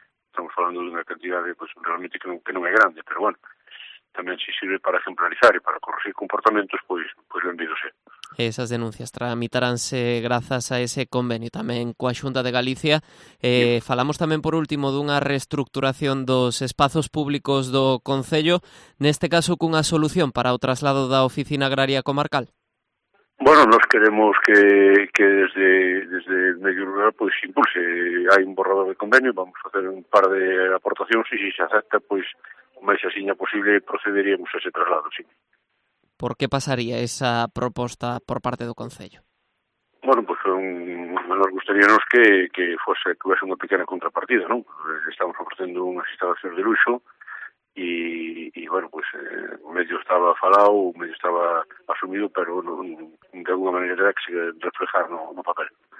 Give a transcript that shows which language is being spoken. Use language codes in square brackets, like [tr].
[gl] Estamos falando dunha cantidade, pues, realmente que non é grande, pero bueno, tamén se sirve para ejemplarizar e para corregir comportamentos, pois benvidose. Esas denuncias tramitaránse grazas a ese convenio tamén coa Xunta de Galicia. Falamos tamén, por último, dunha reestructuración dos espazos públicos do Concello, neste caso cunha solución para o traslado da Oficina Agraria Comarcal. [es] Bueno, nos queremos que desde el medio rural, pues, se impulse. [gl] Hai un borrador de convenio, [es] vamos a hacer [gl] un par de aportacións e, si se acepta, pues, o máis axiña posible, procederíamos a ese traslado, sí. ¿Por qué pasaría esa proposta por parte do Concello? Bueno, pues [es] nos gustaría que tuviese [gl] unha pequena contrapartida, non? Estamos ofrecendo unhas instalacións de luxo e medio estaba falado, medio estaba asumido, pero de alguna maneira era que se reflejar no papel.